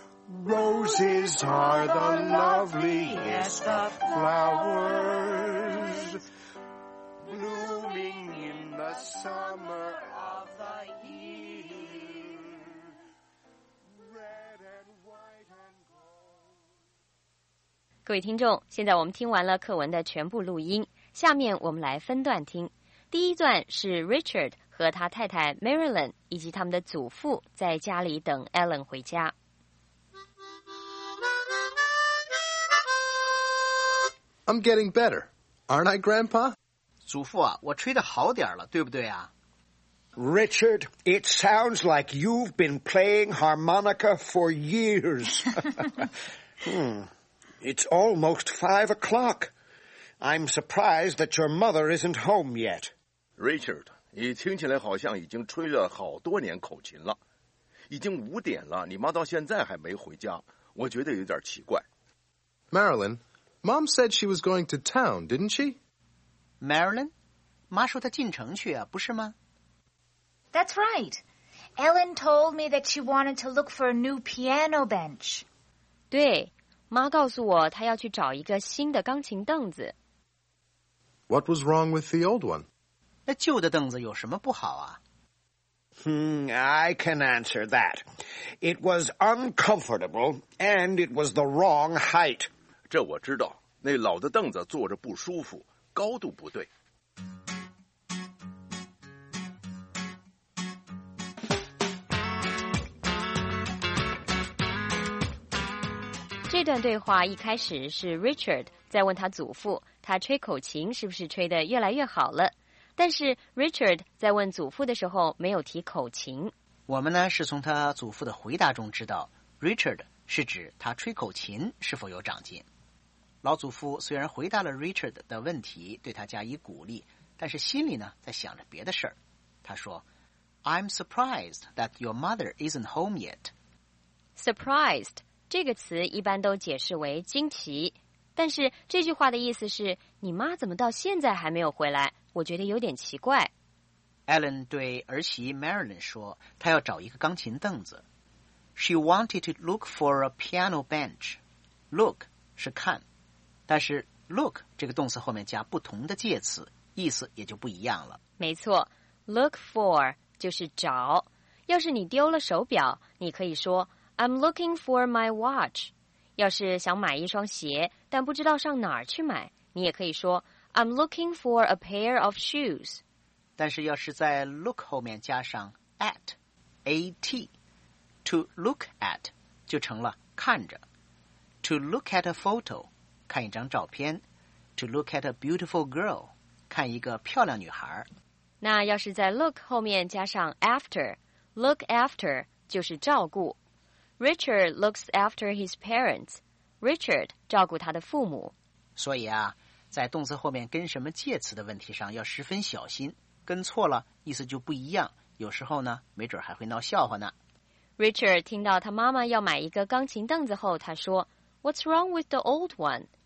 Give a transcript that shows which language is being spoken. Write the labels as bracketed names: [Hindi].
[English] Roses are the loveliest of flowers, blooming in the summer of the year. Red [Chinese] 各位听众，现在我们听完了课文的全部录音，下面我们来分段听。第一段是 Richard 和他太太 Marilyn 以及他们的祖父在家里等 Ellen 回家。 [English] I'm getting better, aren't I, Grandpa? [Chinese] 祖父啊，我吹得好点了，对不对啊？ [English] Richard, it sounds like you've been playing harmonica for years. It's almost 5 o'clock. I'm surprised that your mother isn't home yet. [Chinese] Richard, 你听起来好像已经吹了好多年口琴了。已经5点了，你妈到现在还没回家，我觉得有点奇怪。 [English] Marilyn, Mom said she was going to town, didn't she? Marilyn? [Chinese] 妈说她进城去啊，不是吗？ [English] That's right. Ellen told me that she wanted to look for a new piano bench. [Chinese] 对，妈告诉我她要去找一个新的钢琴凳子。 [English] What was wrong with the old one? [Chinese] 那旧的凳子有什么不好啊？ [English] I can answer that. It was uncomfortable and it was the wrong height. [Chinese] 这我知道，那老的凳子坐着不舒服，高度不对。这段对话一开始是 Richard 在问他祖父，他吹口琴是不是吹得越来越好了？但是 Richard 在问祖父的时候没有提口琴。我们呢是从他祖父的回答中知道 ，Richard 是指他吹口琴是否有长进。老祖父虽然回答了 Richard 的问题，对他加以鼓励，但是心里呢在想着别的事儿。他说 [English] ：“I'm surprised that your mother isn't home yet.” Surprised. [Chinese] 这个词一般都解释为惊奇，但是这句话的意思是，你妈怎么到现在还没有回来？我觉得有点奇怪。 Ellen 对儿媳 Marilyn 说，她要找一个钢琴凳子。 [English] She wanted to look for a piano bench. [Chinese] Look 是看，但是 look 这个动词后面加不同的介词，意思也就不一样了。没错 ，look for 就是找。要是你丢了手表，你可以说 [English] I'm looking for my watch. [Chinese] 要是想买一双鞋，但不知道上哪儿去买，你也可以说 [English] I'm looking for a pair of shoes. [Chinese] 但是要是在 look 后面加上 at, A-T, to look at 就成了看着。 [English] To look at a photo, [Chinese] 看一张照片。 [English] To look at a beautiful girl, [Chinese] 看一个漂亮女孩。那要是在 look 后面加上 after, look after 就是照顾。 [English] Richard looks after his parents. [Chinese] Richard 照顾他的父母。所以啊，在动词后面跟什么介词的问题上要十分小心，跟错了意思就不一样，有时候呢没准还会闹笑话呢。 Richard 听到他妈妈要买一个钢琴凳子后，他说 [English] What's wrong with the old one?